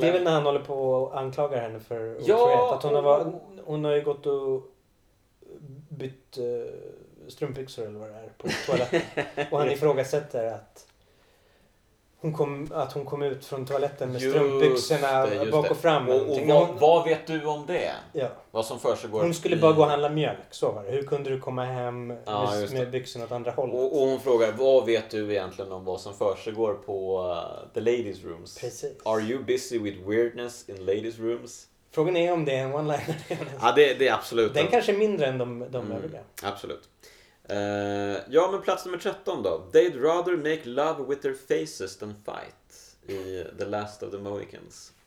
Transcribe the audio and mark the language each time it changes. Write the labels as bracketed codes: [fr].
[sv] Det är väl när han håller på och anklagar henne för otrohet. Ja, att hon har ju gått och bytt strumpbyxor eller vad det är på toaletten. Och han ifrågasätter att hon kom ut från toaletten med strumpbyxorna bak och fram. Vad vet du om det? Ja. Vad som försiggår? Hon skulle bara gå och handla mjölk, så var det. Hur kunde du komma hem med byxorna åt andra hållet? Och hon frågar, vad vet du egentligen om vad som försiggår på [en] the ladies' rooms? [sv] Precis. [en] Are you busy with weirdness in ladies' rooms? [sv] Frågan är om det är en one-liner. Ja, det är absolut. Den kanske är mindre än de övriga. Absolut. Ja, men plats nummer 13 då. [en] They'd rather make love with their faces than fight i The Last of the Mohicans.